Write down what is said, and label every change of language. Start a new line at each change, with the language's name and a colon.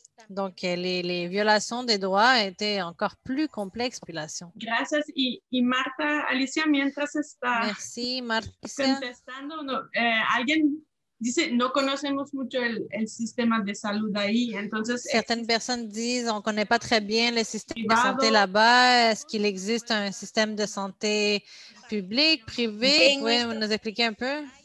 French: Donc, les violations des droits étaient encore plus complexes, population. Merci.
Spanish: Et Marta, Alicia, mientras está.
French: Merci, Marta.
Spanish: Contestando, alguien. No conocemos mucho el sistema de salud ahí. Entonces,
French: certaines personnes disent on ne connaît pas très bien le système de santé là-bas. Est-ce qu'il existe un système de santé public, privé? Pouvez-vous nous expliquer un peu?